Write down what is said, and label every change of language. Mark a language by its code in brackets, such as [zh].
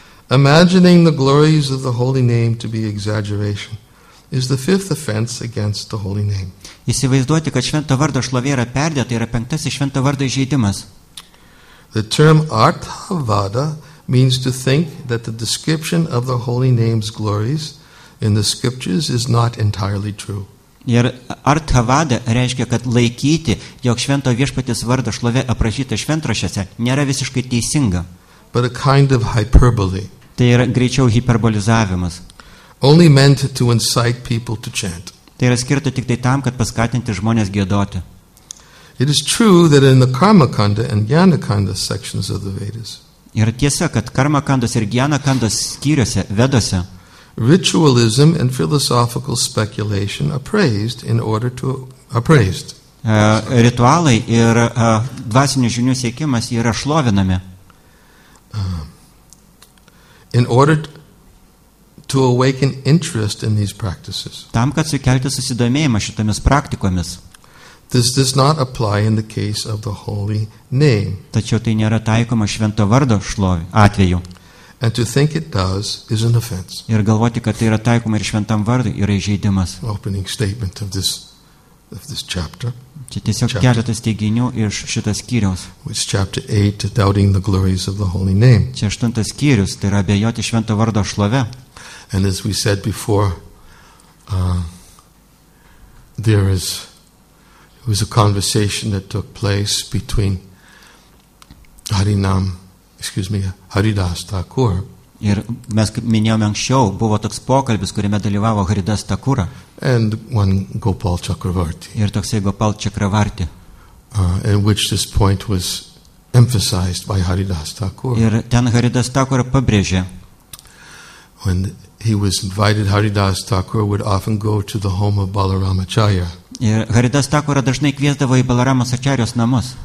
[en] Imagining the glories of the holy name to be exaggeration is the 5th offense against the holy name. [lt] Įsivaizduoti, kad švento vardo šlovė yra perdėta, yra penktasis švento vardo įžeidimas. [en] The term Artha Vada means to think that the description of the holy name's glories in the scriptures is not entirely true. [lt] Ir arthavada reiškia, kad laikyti, jog švento viešpatės vardo šlovė aprašyta šventrašiuose, nėra visiškai teisinga. [en] But a kind of hyperbole. [lt] Tai yra greičiau hiperbolizavimas. [en] Only meant to incite people to chant. [lt] Tai yra skirta tik tai tam, kad paskatinti žmonės giedoti. [en] It is true that in the Karmakanda and Gyanakanda sections of the Vedas. [lt] Yra tiesa, kad Karmakandos ir Gyanakandos skyriuose, Vedose, [en] ritualism and philosophical speculation are praised in order to appraised. [lt] Ritualai ir dvasinių žinių siekimas yra šlovinami. [en] In order to awaken interest in these practices. [lt] Tam, kad sukelti susidomėjimą šitomis praktikomis. [en] This does not apply in the case of the holy name. [lt] Tačiau tai nėra taikoma švento vardo šlovi atveju. [en] And to think it does is an offense. [lt] Ir galvoti, kad tai yra taikoma ir šventam vardui, yra įžeidimas. [en] Opening statement of this chapter. [lt] Čia tiesiog keletas teiginių iš šito skyriaus. [en] Which chapter 8, doubting the glories of the holy name. [lt] Čia aštuntas skyrius, tai yra abejoti švento vardo šlove. [en] And as we said before, there is it was a conversation that took place between Haridas Thakur. [lt] Ir mes minėjome anksčiau, buvo toks pokalbis, kuriame dalyvavo Haridas Thakura. [en] And one Gopal Chakravarti. [lt] Ir toksai Gopal Chakravarti. [en] In which this point was emphasized by Haridas Thakur. [lt] Ir ten Haridas Thakur pabrėžė. [en] When he was invited, Haridas Thakur would often go to the home of Balaramacharya. [lt] Ir Haridas Thakura dažnai kviesdavo į Balaramos Acharyos namus.